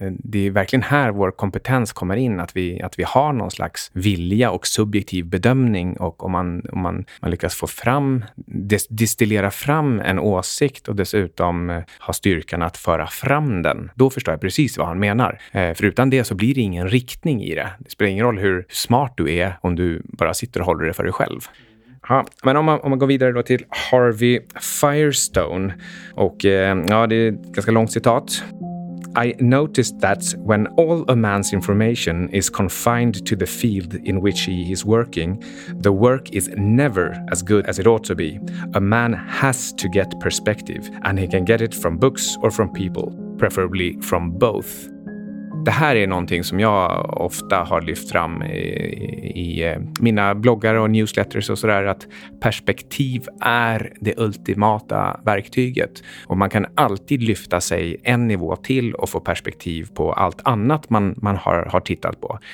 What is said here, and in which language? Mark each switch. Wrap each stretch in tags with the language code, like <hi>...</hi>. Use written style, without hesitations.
<sv>Det är verkligen här vår kompetens kommer in, att vi har någon slags vilja och subjektiv bedömning, och om man lyckas få fram, distillera fram en åsikt och dessutom ha styrkan att föra fram den, då förstår jag precis vad han menar. För utan det så blir det ingen riktning i det. Det spelar ingen roll hur smart du är om du bara sitter och håller det för dig själv. Ja, men om man går vidare då till Harvey Firestone, och ja, det är ett ganska långt citat.</sv> <en>"I noticed that when all a man's information is confined to the field in which he is working, the work is never as good as it ought to be. A man has to get perspective, and he can get it from books or from people, preferably from both."</en> <sv>Det här är någonting som jag ofta har lyft fram i mina bloggar och newsletters och sådär, att perspektiv är det ultimata verktyget. Och man kan alltid lyfta sig en nivå till och få perspektiv på allt annat man har tittat på.</sv>